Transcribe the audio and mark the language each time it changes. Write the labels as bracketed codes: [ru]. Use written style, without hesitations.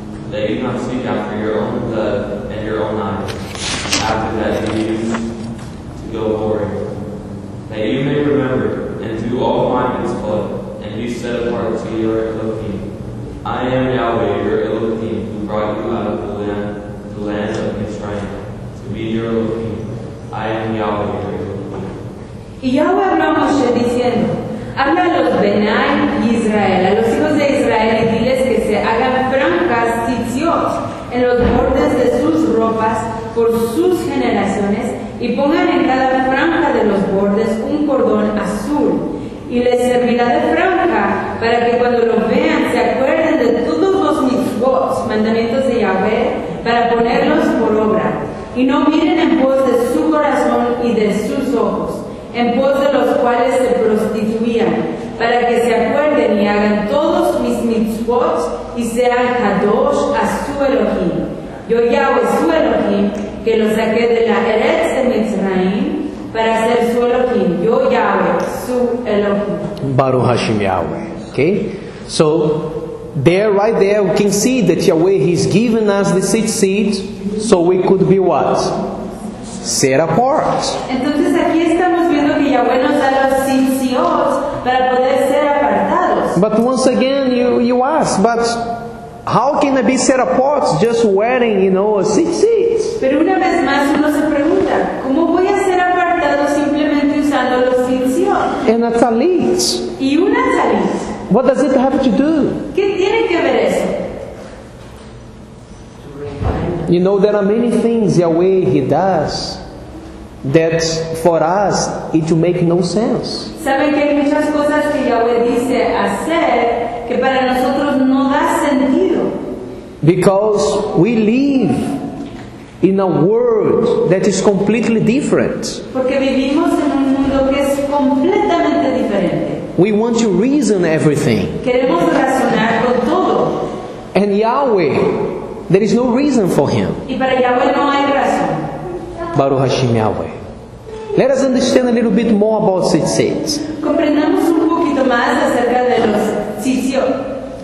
[en] That you not seek after your own blood and your own eyes, after that you use to go glory. That you may remember and do all my mitzvot, and be set apart to your Elohim. I am Yahweh, your Elohim, who brought you out of the land of Mitzrayim, to be your Elohim. I am Yahweh, your Elohim." [es] Y Yahweh habló a Moshe diciendo, "Habla a los Benai Israel, a los hijos de Israel, y diles que se hagan francas tzitziot en los bordes de sus ropas por sus generaciones, y pongan en cada franja de los bordes un cordón azul, y les servirá de franja para que cuando lo vean se acuerden de todos los mitzvot, mandamientos de Yahweh, para ponerlos por obra, y no miren en pos de su corazón y de sus ojos, en pos de los cuales se prostituían, para que se acuerden y hagan todos mis mitzvot y sean kadosh a su Elohim. Yo Yahweh su Elohim, que los saqué de la Eretz de Mitzrayim para ser su Elohim. Yo Yahweh su Elohim." [he] Baruch Hashem Yahweh. [en] Okay? So, there, right there, we can see that Yahweh, He's given us the tzitzit so we could be what? Set apart. [es] Entonces aquí estamos viendo que Yahweh nos da los tzitzit para poder ser apartados. [en] But once again, you ask, but how can I be set apart just wearing, you know, a tzitzit? [es] Pero una vez más uno se pregunta, ¿cómo voy a ser apartado simplemente usando los tzitzit? [en] And a talit. [es] Y una talit. [en] What does it have to do? [es] ¿Qué tiene que ver eso? [en] You know, there are many things Yahweh He does that for us it will make no sense. [es] ¿Saben que hay muchas cosas que Yahweh dice hacer que para nosotros no da sentido? [en] Because we live in a world that is completely different. [es] Porque vivimos en un mundo que es completamente diferente. [en] We want to reason everything. [es] Queremos razonar con todo. [en] And Yahweh, there is no reason for Him. [es] Y para Yahweh no hay razón. [he] Baruch Hashem Yahweh. [en] Let us understand a little bit more about tzitzit. [es] Comprendamos un poquito más acerca de los tzitzit.